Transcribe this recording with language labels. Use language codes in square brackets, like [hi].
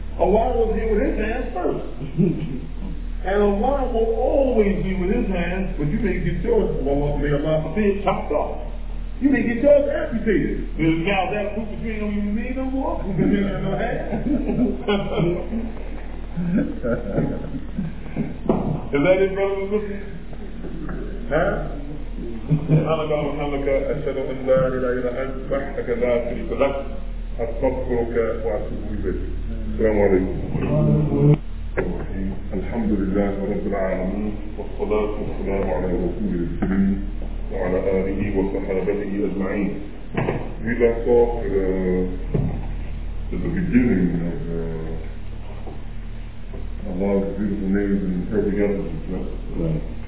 [en] Allah was here with His hands first. And Allah will always be with His hands, but you may get yours, Allah, may Allah forbid, chopped off. You may get yours amputated. There's now that proof that you ain't no human being no more, because you ain't got no hands. Is that it, brothers and sisters? Huh? [ar] سبحان الله وبحمدك أشهد أن لا إله إلا أنت وحدك لا شريك لك أستغفرك وأتوب إليك. السلام عليكم. الحمد لله رب العالمين والصلاة والسلام على رسول الكريم وعلى آله وصحابته أجمعين. [en] We left off at the beginning of Allah's beautiful names and perfect attributes, right?